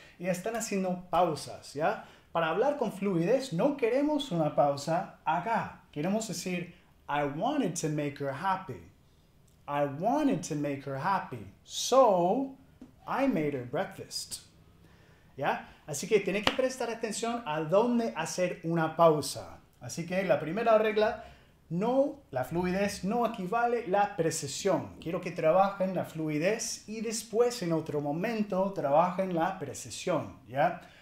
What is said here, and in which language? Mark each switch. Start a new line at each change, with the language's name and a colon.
Spanish: Y están haciendo pausas, ¿ya? Para hablar con fluidez, no queremos una pausa acá. Queremos decir,
English: I wanted to make her happy. I wanted to make her happy. So, I made her breakfast. ¿Ya?
Spanish: Así que tienen que prestar atención a dónde hacer una pausa. Así que la primera regla, no, la fluidez no equivale a la precisión. Quiero que trabajen la fluidez y después en otro momento trabajen la precisión, ¿ya?